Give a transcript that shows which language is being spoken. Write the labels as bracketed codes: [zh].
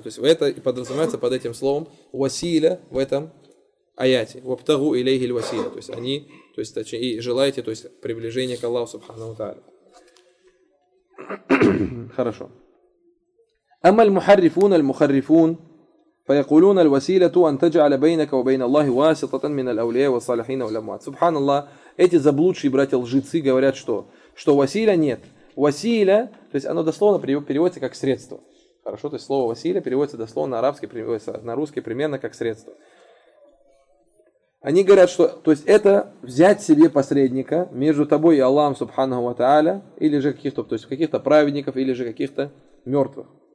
[ru] То есть это и подразумевается под этим словом василя в этом аяте. [ar] Вабтагу илейхи ль василя. [ru] То есть они, то есть точнее, и желаете, то есть приближение к Аллаху Субхану Тааля. Хорошо. [ar] Амаль мухаррифун аль мухаррифун. فيقولون الوسيلة أن تجعل بينك وبين الله واسطة من الأولياء والصالحين والأموات. سبحان الله. [ru] Эти заблудшие братья лжецы говорят, что? Что Василия нет. Василя, то есть оно дословно переводится как средство. Хорошо, то есть слово Василя переводится дословно на арабский, на русский примерно как средство. Они говорят, что то есть это взять себе посредника между тобой и Аллахом Субханаху ва Тааля, или же каких-то, то есть каких-то праведников, или же каких-то мертвых.